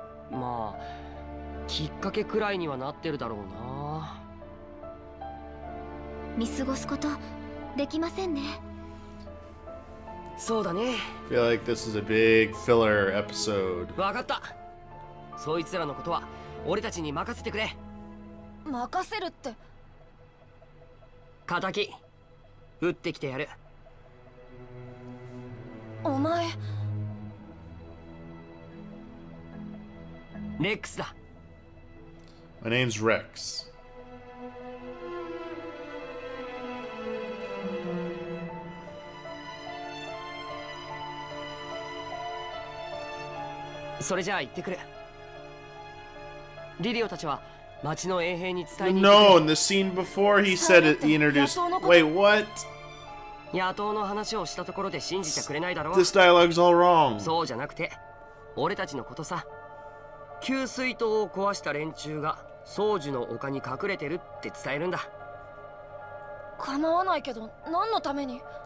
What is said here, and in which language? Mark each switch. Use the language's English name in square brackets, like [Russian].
[Japanese] まあきっかけくらいにはなってるだろうな。見過ごすことできませんね。そうだね。 [English] I feel like this is a big filler episode. [Japanese] わかった。そいつらのことは俺たちに任せてくれ。任せるって。仇。撃ってきてやる。お前レックスだ。 [English] My name's Rex。 [Japanese] それじゃあ行ってくる。リリオたちは町の衛兵に伝えに行く。 [English] No, in the scene before he said it, he introduced... Wait, what? [Japanese] 野党の話をしたところで信じてくれないだろう。 [English] This dialogue's all wrong. [Japanese] そうじゃなくて、俺たちのことさ。給水塔を壊した連中が掃除の丘に隠れてるって伝えるんだ。構わないけど、何のために。